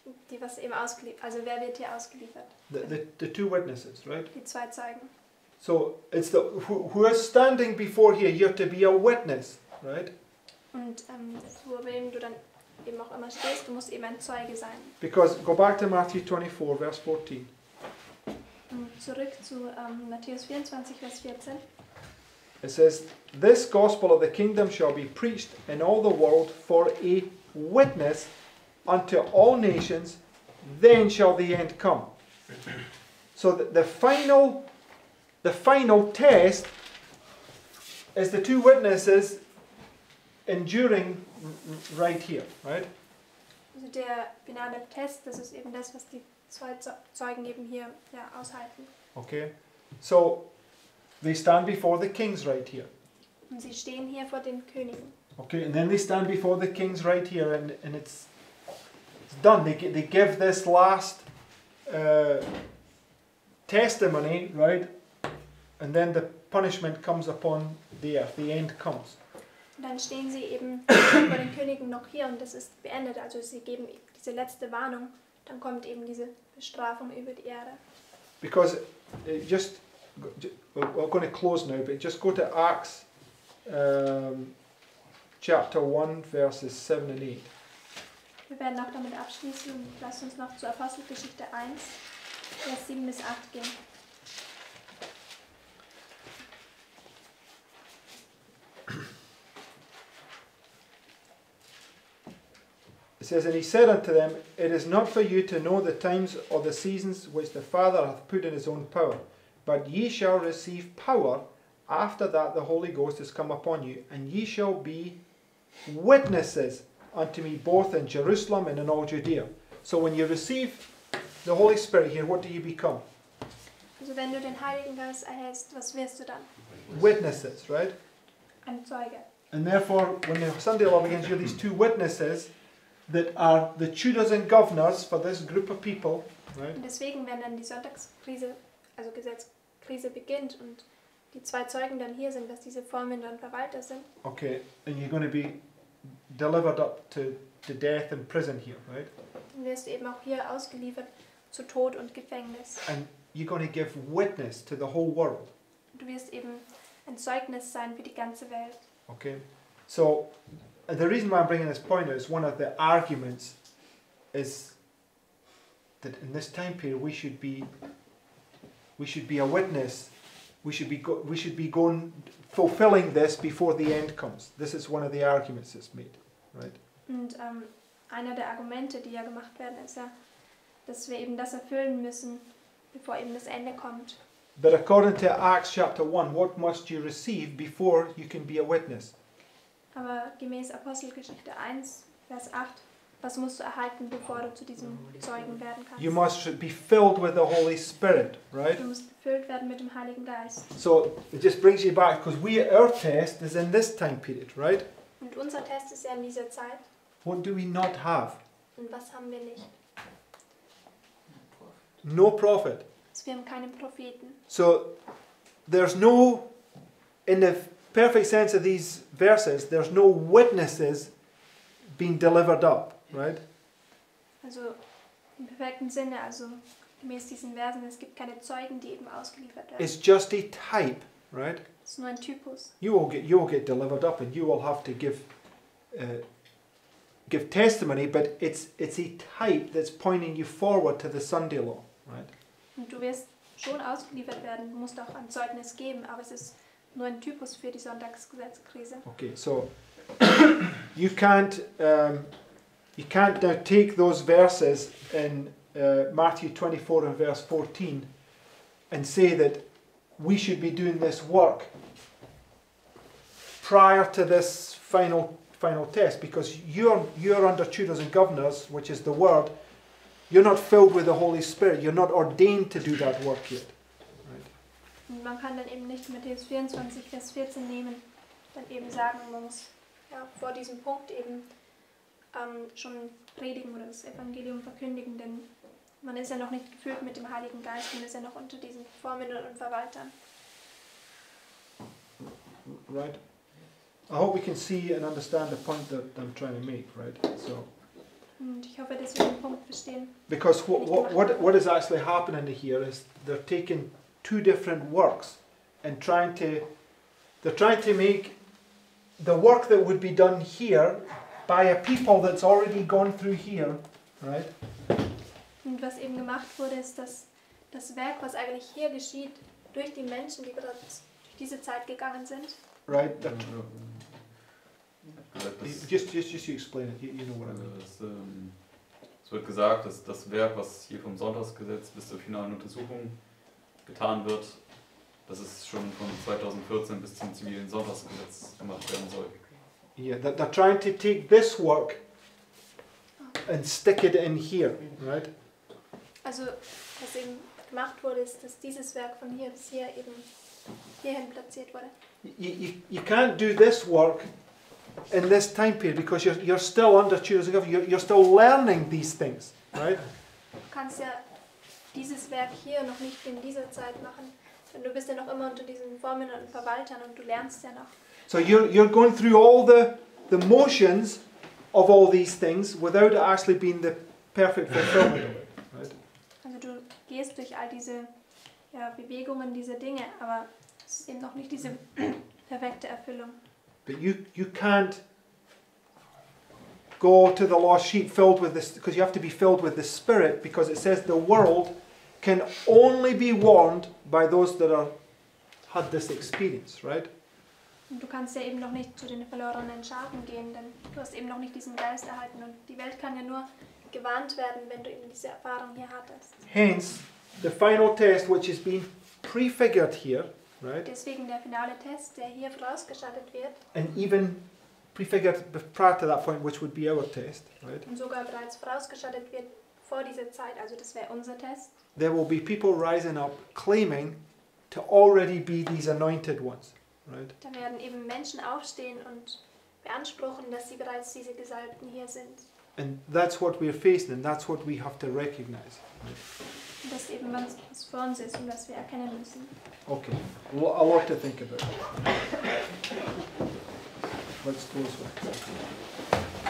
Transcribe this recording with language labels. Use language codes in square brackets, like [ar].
[de] Die was eben ausgeliefert, also wer wird hier ausgeliefert? [en] The two witnesses, right? [de] Die zwei Zeugen. [en] So it's the who is standing before here, you're to be a witness, right? [de] Und vor wem du dann eben auch immer stehst, du musst eben ein Zeuge sein. [en] Because go back to Matthew 24, verse 14. [de] zurück zu Matthäus 24, Vers 14. [en] It says, this gospel of the kingdom shall be preached in all the world for a witness unto all nations, then shall the end come. So the final test is the two witnesses enduring right here, right? [de] Also der finale Test, das ist eben das, was die zwei Zeugen eben hier ja, aushalten. [en] Okay, so they stand before the kings right here. [de] Und sie stehen hier vor den Königen. [en] Okay, and then they stand before the kings right here, and it's done. They give this last testimony, right? And then the punishment comes upon the earth. The end comes. [de] Und dann stehen sie eben vor den Königen noch hier, und das ist beendet. Also sie geben diese letzte Warnung. Dann kommt eben diese Bestrafung über die Erde. [en] Because we're going to close now, but just go to Acts chapter 1, verses 7 and 8. [de] Wir werden noch damit abschließen und lass uns noch zur Apostelgeschichte 1, Vers 7 bis 8 gehen. [en] It says, and he said unto them, it is not for you to know the times or the seasons which the Father hath put in his own power. But ye shall receive power after that the Holy Ghost has come upon you, and ye shall be witnesses unto me both in Jerusalem and in all Judea. So when you receive the Holy Spirit here, what do you become? [de] Also wenn du den Heiligen Geist erhältst, was wirst du dann? [en] Witnesses, right? [de] Ein Zeuge. [en] And therefore, when the Sunday law begins, you have these two witnesses that are the tutors and governors for this group of people, right? [de] Und deswegen, wenn dann die Sonntagskrise, also Gesetzkrise beginnt und die zwei Zeugen dann hier sind, dass diese Vormünder und Verwalter sind. [en] Okay, and you're going to be delivered up to death and prison here, right? [de] Dann wirst du eben auch hier ausgeliefert zu Tod und Gefängnis. [en] And you're going to give witness to the whole world. [de] Du wirst eben ein Zeugnis sein für die ganze Welt. [en] Okay, so the reason why I'm bringing this point is one of the arguments is that in this time period we should be a witness. We should be going fulfilling this before the end comes. This is one of the arguments that's made, right? [de] Und einer der Argumente, die ja gemacht werden, ist ja, dass wir eben das erfüllen müssen, bevor eben das Ende kommt. [en] But according to Acts chapter 1, what must you receive before you can be a witness? [de] Aber gemäß Apostelgeschichte 1, Vers 8, was musst du erhalten, bevor du zu diesem Zeugen werden kannst? [en] You must be filled with the Holy Spirit, right? [de] Du musst gefüllt werden mit dem Heiligen Geist. [en] So, it just brings you back, because our test is in this time period, right? [de] Und unser Test ist ja in dieser Zeit. [en] What do we not have? [de] Und was haben wir nicht? [en] No prophet. [de] Also, wir haben keinen Propheten. [en] So, there's no, in the perfect sense of these verses, there's no witnesses being delivered up, right? [de] Also im perfekten Sinne, also gemäß diesen Versen, es gibt keine Zeugen, die eben ausgeliefert werden. [en] It's just a type, right? [de] Es ist nur ein Typus. [en] You will get delivered up, and you will have to give testimony, but it's a type that's pointing you forward to the Sunday law, right? [de] Und du wirst schon ausgeliefert werden, musst auch ein Zeugnis geben, aber es ist nur ein Typus für die Sonntagsgesetzkrise. [en] Okay, so you can't now take those verses in Matthew 24 and verse 14 and say that we should be doing this work prior to this final test, because you're under tutors and governors, which is the word. You're not filled with the Holy Spirit. You're not ordained to do that work yet. [de] Und man kann dann eben nicht Matthäus 24, Vers 14 nehmen, dann eben sagen, man muss ja, vor diesem Punkt eben schon predigen oder das Evangelium verkündigen, denn man ist ja noch nicht gefüllt mit dem Heiligen Geist und ist ja noch unter diesen Vormündern und Verwaltern. [en] Right. I hope we can see and understand the point that I'm trying to make, right? So. [de] Und ich hoffe, dass wir den Punkt verstehen. [en] Because what is actually happening here is they're taking two different works and they're trying to make the work that would be done here by a people that's already gone through here, right? [de] Und was eben gemacht wurde, ist, dass das Werk, was eigentlich hier geschieht, durch die Menschen, die gerade durch diese Zeit gegangen sind. [en] Right. Just explain it. You know what I mean. [de] Es wird gesagt, dass das Werk, was hier vom Sonntagsgesetz bis zur finalen Untersuchung getan wird, dass es schon von 2014 bis zum zivilen Sonntagsgesetz gemacht werden soll. [en] Yeah, that they're trying to take this work and stick it in here, right? [de] Also, was eben gemacht wurde, ist, dass dieses Werk von hier bis hier eben hierhin platziert wurde. [en] You can't do this work in this time period because you're still under Tudor's government. You're still learning these things, right? [de] Du kannst ja dieses Werk hier noch nicht in dieser Zeit machen, denn du bist ja noch immer unter diesen Vormündern und Verwaltern und du lernst ja noch. [en] So you're going through all the motions of all these things without it actually being the perfect fulfillment of it. Right? [de] Also du gehst durch all diese ja, Bewegungen, diese Dinge, aber es ist eben noch nicht diese perfekte Erfüllung. [en] But you can't go to the lost sheep filled with this, because you have to be filled with the Spirit, because it says the world can only be warned by those that are had this experience, right? [de] Und du kannst ja eben noch nicht zu den verlorenen Schafen gehen, denn du hast eben noch nicht diesen Geist erhalten. Und die Welt kann ja nur gewarnt werden, wenn du eben diese Erfahrung hier hattest. [en] Hence, the final test, which is being prefigured here, right? [de] Deswegen der finale Test, der hier vorausgeschaltet wird. [en] And even prefigured prior to that point, which would be our test, right? [de] Und sogar bereits vorausgeschaltet wird vor dieser Zeit, also das wäre unser Test. [en] There will be people rising up, claiming to already be these anointed ones. Right. [de] Da werden eben Menschen aufstehen und beanspruchen, dass sie bereits diese Gesalbten hier sind. [en] And that's what we're facing, and that's what we have to recognize. Right. [de] Und das ist eben was vor uns ist und was wir erkennen müssen. [en] Okay, a lot to think about. Let's close with that.